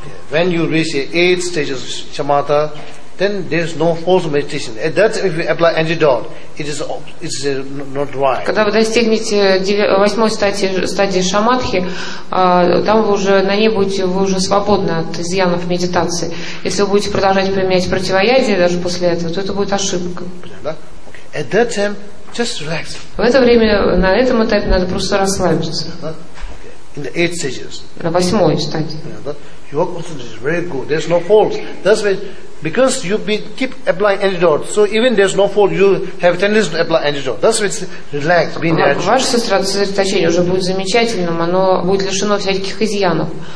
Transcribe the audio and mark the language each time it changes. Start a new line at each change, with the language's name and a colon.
English: When you reach the eighth stage of shamatha, then there is no false meditation. That's if you apply antidote, it is not right.
Russian: Когда вы достигнете восьмой стадии шамадхи, там вы уже на ней будете, вы уже свободны от изъянов медитации. Если вы будете продолжать применять противоядие даже после этого, то это будет ошибка.
English: At that time, just relax.
Russian: В это время, на этом этапе надо просто расслабиться.
English: in the eighth stages.
Russian: На восьмой стадии.
English: Yeah, your concentration is very good. There's no fault. That's why, because you be keep applying antidote, so even there's no fault, you have tendency to apply antidote. That's why it's relaxed, being natural.
Russian: Ваше сосредоточение уже будет замечательным, оно будет лишено всяких изъянов.